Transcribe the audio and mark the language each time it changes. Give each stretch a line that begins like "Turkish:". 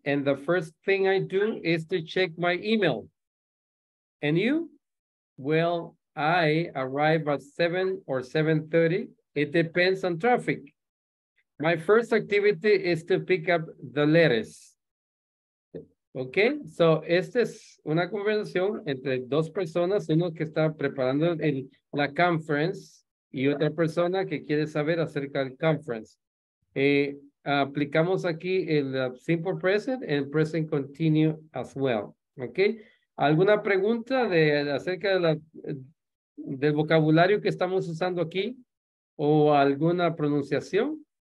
English: and the first thing I do is to check my email. And you? Well, I arrive at 7 or 7:30. It depends on traffic. My first activity is to pick up the letters.
Spanish: Okay, so esta es una conversación entre dos personas, uno que está preparando el, la conference y otra persona que quiere saber acerca del conference. Aplicamos aquí el simple present
English: and present continue as well. Okay.
Spanish: ¿Alguna pregunta de acerca de la, del vocabulario que estamos usando aquí o alguna pronunciación?